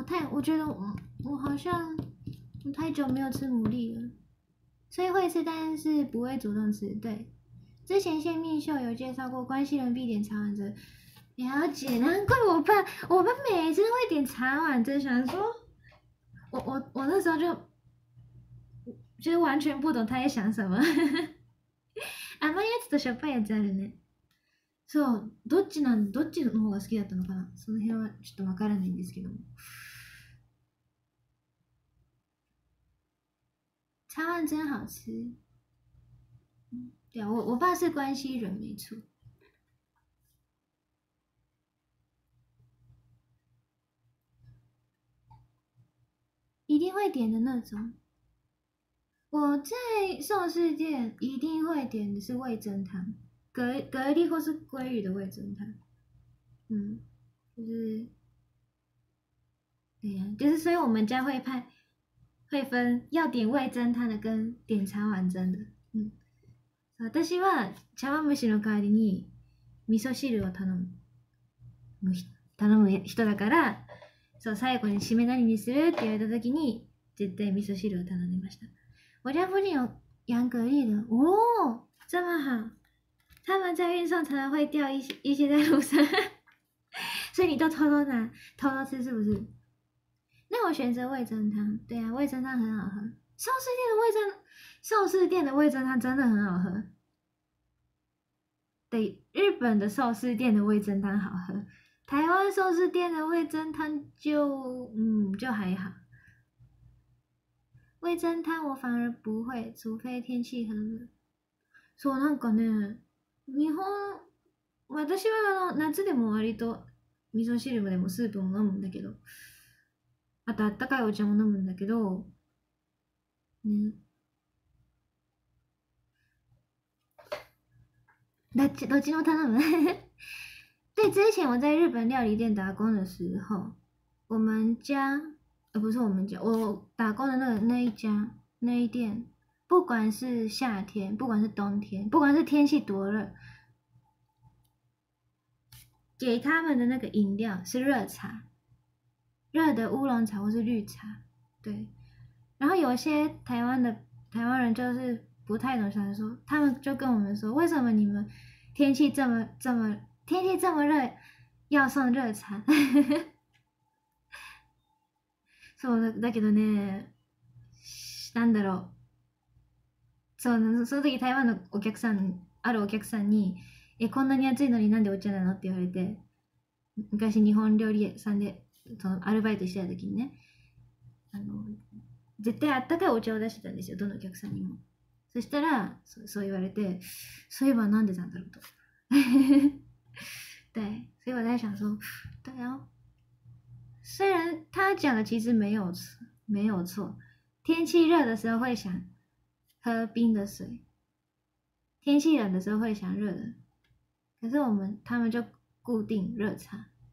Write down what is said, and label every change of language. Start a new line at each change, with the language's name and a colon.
Chinese: 我觉得我好像太久没有吃牡蛎了，所以会吃，但是不会主动吃。对。之前谢密秀有介绍过关西人必点茶碗蒸，了解。难怪我爸每次都会点茶碗蒸，想说，我那时候就完全不懂他在想什么。
Japanese: 甘いやつとしょっぱいやつあるね。そう、どっちの方が好きだったのかな。その辺はちょっとわからないんですけども。
Chinese: 茶碗蒸好吃。对，我爸是关西人，没错。一定会点的那种。我在寿司店一定会点的是味噌汤，蛤蜊或是鲑鱼的味噌汤。就是，所以我们家会分要点味噌汤的跟点茶碗蒸的。
Japanese: 私は茶碗蒸しの代わりに味噌汁を頼む人だから、そう、最後に締め何にするって言われたときに、絶対味噌汁を頼みました。オリャブリオ、ヤンクリード。
Chinese: おお、这么好。他们在运送才会掉一些在路上，所以你都偷偷拿、偷偷吃是不是？那我选择味噌汤。对啊，味噌汤很好喝。寿司店的味噌汤真的很好喝。对，日本的寿司店的味噌汤好喝，台湾寿司店的味噌汤就还好。味噌汤我反而不会，除非天气很冷。
Japanese: そうなんかね。日本、私は夏でも割と味噌汁でもスープも飲むんだけど、あとあったかいお茶も飲むんだけど、ね。どっちも頼む。
Chinese: 对，之前我在日本料理店打工的时候，我们家，不是我们家，我打工的那一店。不管是夏天，不管是冬天，不管是天气多热，给他们的那个饮料是热茶，热的乌龙茶或是绿茶，对。然后有些台湾人就是不太懂，想说，他们就跟我们说，为什么你们天气这么热，要送热茶？
Japanese: そうだけどね、なんだろう。その時台湾のお客さん、あるお客さんに、こんなに暑いのになんでお茶なのって言われて、昔日本料理屋さんで、そのアルバイトしてた時にね、絶対あったかいお茶を出してたんですよ、どのお客さんにも。そしたら、そう言われて、そういえばなんでなんだろうと。
Chinese: 对、所以我在想说、对哦。虽然他讲的其实没有错、天气热的时候会想、喝冰的水，天气冷的时候会想热的，可是他们就固定热茶。